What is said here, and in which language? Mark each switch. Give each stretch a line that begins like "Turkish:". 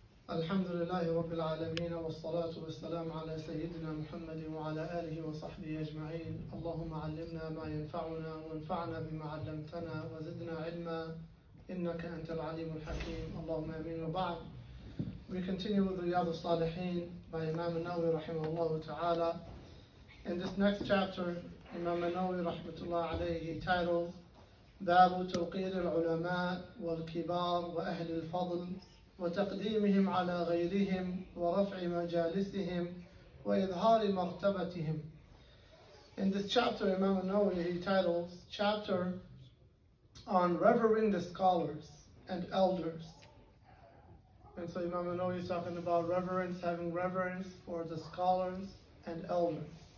Arabic: الحمد لله رب العالمين، والصلاة والسلام على سيدنا محمد وعلى آله وصحبه أجمعين. اللهم علمنا ما ينفعنا، وانفعنا بما علمتنا، وزدنا علما، إنك أنت العليم الحكيم. اللهم أمين. وبعد،
English: we continue with Riyadh Saliheen by Imam Nawawi
Arabic: رحمه الله تعالى.
English: In this next chapter, Imam Nawawi rahmatullah alayhi titles
Arabic: باب توقير العلماء والكبار وأهل الفضل وتقديمهم على غيرهم ورفع مجالسهم وإظهار مرتبتهم.
English: In this chapter, Imam Nawawi he titles chapter on revering the scholars and elders. And so Imam Nawawi is talking about reverence, having reverence for the scholars and elders.